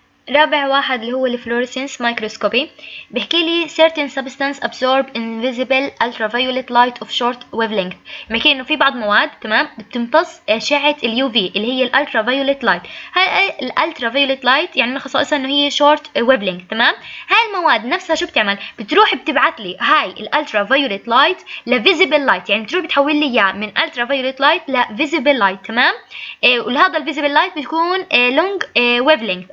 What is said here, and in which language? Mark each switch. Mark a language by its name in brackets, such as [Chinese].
[Arabic] رابع واحد اللي هو الفلوريسنس مايكروسكوبي، بيحكي لي [English] certain substance absorb invisible ultraviolet light of short wavelength. [Arabic] بيحكي انه في بعض مواد تمام بتمتص اشعة ال UV اللي هي الالترافيولت لايت. هاي الالترافيولت لايت يعني من خصائصها انه هي short wavelength تمام. هاي المواد نفسها شو بتعمل؟ بتروح بتبعت لي هاي الالترافيولت لايت لvisible light، يعني بتروح بتحول لي اياه من ultraviolet light لvisible light تمام. ولهذا الvisible light بتكون long wavelength.